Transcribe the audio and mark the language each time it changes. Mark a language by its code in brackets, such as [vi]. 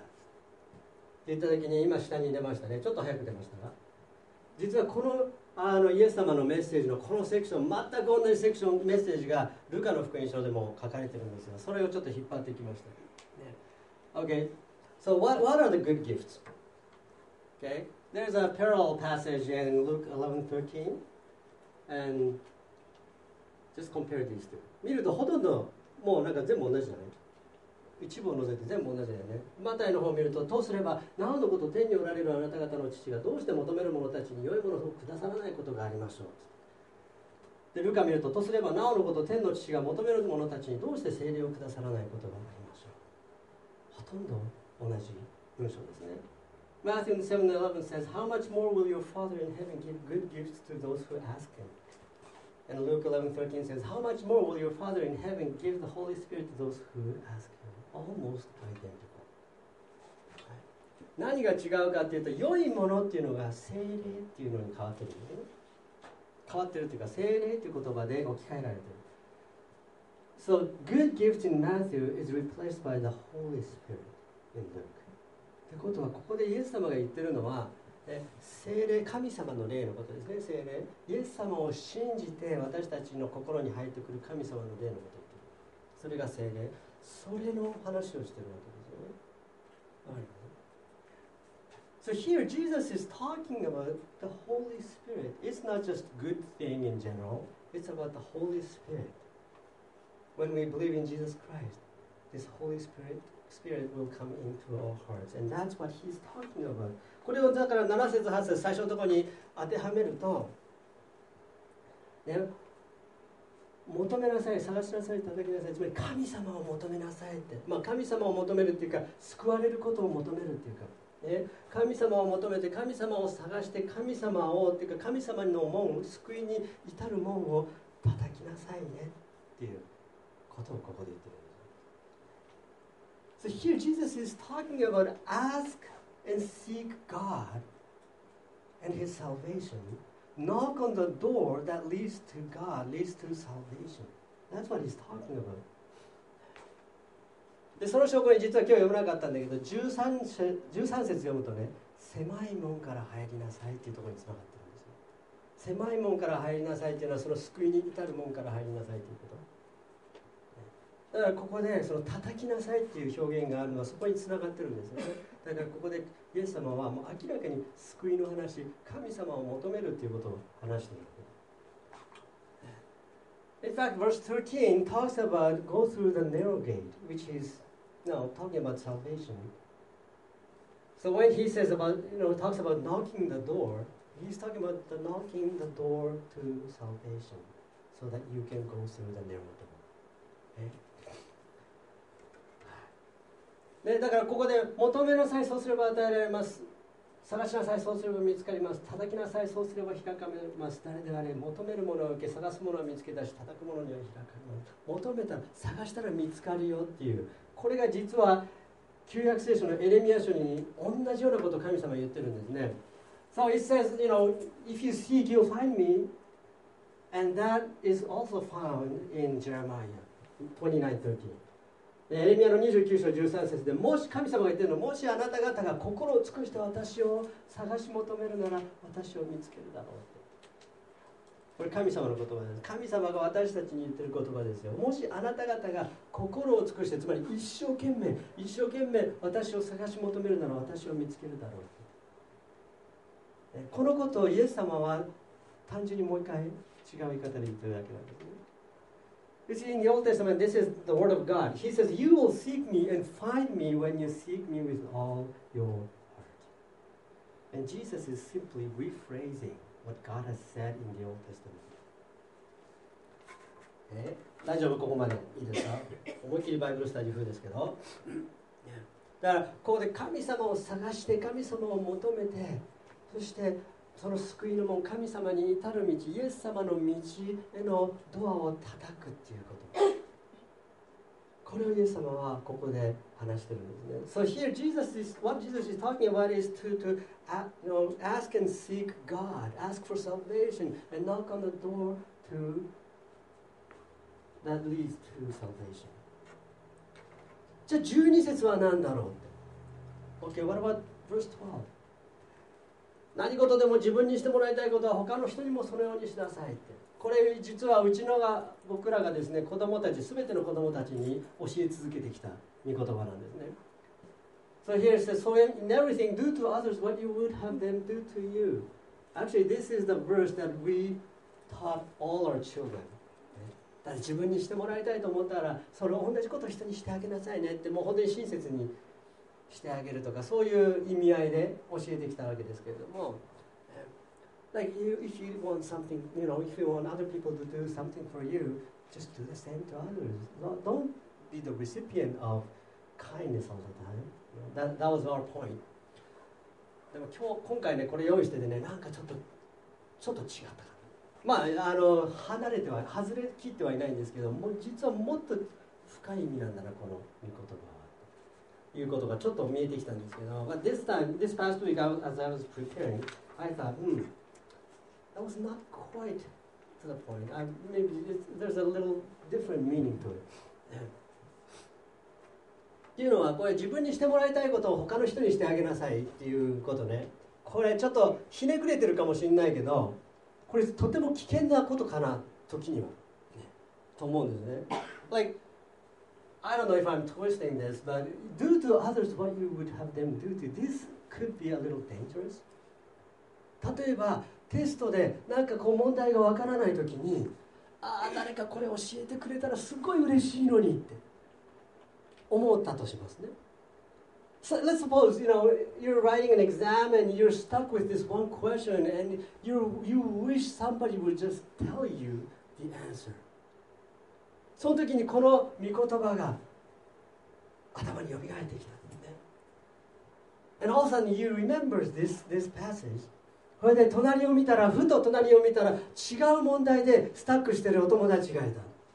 [ja] って言った時に今下に出ましたね。ちょっと早く出ましたが、実はこのイエス様のメッセージのこのセクション、全く同じセクション、メッセージがルカの福音書でも書かれているんですが、それをちょっと引っ張ってきました。 [en] Yeah. Okay, so what are the good gifts? Okay, there's a parallel passage in Luke 11:13, and just compare these two. [ja] 見るとほとんどもうなんか全部同じじゃない、一部を除いて全部同じだよね。マタイの方を見ると、とすればなおのこと天におられるあなた方の父がどうして求める者たちに良いものをくださらないことがありましょう。でルカ見ると、とすればなおのこと天の父が求める者たちにどうして聖霊をくださらないことがありましょう。ほとんど同じ文章ですね。 [en] Matthew 7:11 says, How much more will your Father in heaven give good gifts to those who ask him? And Luke 11:13 says, How much more will your Father in heaven give the Holy Spirit to those who ask him? Almost identical. [ja] 何が違うかというと、良いものっていうのが聖霊っていうのに変わってるよね。変わってるというか、聖霊っていう言葉で置き換えられてる。 [en] So good gift in Matthew is replaced by the Holy Spirit in Luke. [ja] ってことは、ここでイエス様が言ってるのは、聖霊、神様の霊のことですね。聖霊、イエス様を信じて私たちの心に入ってくる神様の霊のこと言ってる。それが聖霊、それの話をしているわけですよね。 [en] So here Jesus is talking about the Holy Spirit. It's not just a good thing in general. It's about the Holy Spirit. When we believe in Jesus Christ, this Holy Spirit will come into our hearts. And that's what he's talking about. [ja] これをだから7節8節最初のところに当てはめると、ね、求めなさい、探しなさい、叩きなさい、つまり神様を求めなさいって、まあ、神様を求めるっていうか、救われることを求めるっていうか、ね、神様を求めて、神様を探して、神様をっていうか、神様の門、救いに至る門を叩きなさいねっていうことをここで言ってる。 [en] So here Jesus is talking about ask and seek God and his salvation. Knock on the door that leads to God, leads to salvation. That's what he's talking about. [ja] で、その証拠に実は今日読めなかったんだけど、13節読むとね、狭い門から入りなさいっていうところにつながってるんですよ。狭い門から入りなさいっていうのは、その救いに至る門から入りなさいっていうこと。だからここでその叩きなさいっていう表現があるのはそこにつながってるんですよね。だからここでイエス様はもう明らかに救いの話、神様を求めるということを話しているわけです。 [en] In fact, verse 13 talks about go through the narrow gate, which is now talking about salvation. So when he says about, you know, talks about knocking the door, he's talking about the knocking the door to salvation, so that you can go through the narrow door. [ja] ね、だからここで求めなさい、そうすれば与えられます、探しなさい、そうすれば見つかります、叩きなさい、そうすれば開かれます、誰であれ求めるものを受け、探すものを見つけ出し、叩くものには開かれます、求めたら探したら見つかるよっていう、これが実は旧約聖書のエレミア書に同じようなことを神様言ってるんですね。 [en] So it says, you know, if you seek, you'll find me, and that is also found in Jeremiah. [ja] 29:13 エレミアの29章13節で、もし神様が言っているの、もしあなた方が心を尽くして私を探し求めるなら私を見つけるだろうって、これ神様の言葉です。神様が私たちに言っている言葉ですよ。もしあなた方が心を尽くして、つまり一生懸命一生懸命私を探し求めるなら私を見つけるだろうって、このことをイエス様は単純にもう一回違う言い方で言っているだけなんですね。 [en] You see, in the Old Testament, this is the word of God. He says, you will seek me and find me when you seek me with all your heart. And Jesus is simply rephrasing what God has said in the Old Testament. [ja] 大丈夫、ここまでいいですか？思いっきりバイブルスタジオ風ですけど。だから、ここで神様を探して、神様を求めて、そしてその救いの門、神様に至る道、イエス様の道へのドアを叩くっていうこと、これをイエス様はここで話してるんですね。 So here Jesus is, what Jesus is talking about is to ask, you know, ask and seek God, ask for salvation and knock on the door to that leads to salvation. じゃあ12節は何だろうって。 [en] Okay, what about verse 12? [ja] 何事でも自分にしてもらいたいことは他の人にもそのようにしなさいって、これ実はうちのが僕らがですね、子供たち、すべての子供たちに教え続けてきた御言葉なんですね。 [en] So here it says, so in everything do to others what you would have them do to you. Actually this is the verse that we taught all our children. [ja] だから自分にしてもらいたいと思ったらそれを同じことを人にしてあげなさいねって、もう本当に親切にしてあげるとか、そういう意味合いで教えてきたわけですけれども、 [en] like you, if you want something, you know, if you want other people to do something for you, just do the same to others. Don't be the recipient of kindness all the time. That was our point. [ja] でも今回ね、これ用意しててね、なんかちょっと違ったかな。まあ、外れ切ってはいないんですけど、もう実はもっと深い意味なんだな、この御言葉。いうことがちょっと見えてきたんですけど、 [en] But this time, this past week, as I was preparing, I thought, that was not quite to the point. Maybe there's a little different meaning to it. [ja] っていうのは、これ自分にしてもらいたいことを他の人にしてあげなさいっていうことね。これちょっとひねくれてるかもしれないけど、これとても危険なことかな、時には、と思うんですね。 [en] Like,I don't know if I'm twisting this, but do to others what you would have them do to you. This could be a little dangerous. [ja] 例えばテストで何かこう問題がわからないときに、ああ誰かこれ教えてくれたらすごい嬉しいのにって思ったとしますね。 [en] So let's suppose, you know, you're writing an exam and you're stuck with this one question and you wish somebody would just tell you the answer. [ja] その時にこの御言葉が頭によみがえってきたんですね。 [en] And all of a sudden you remember this passage. [ja] それで隣を見たら、ふと隣を見たら違う問題でスタックしてるお友達がいた。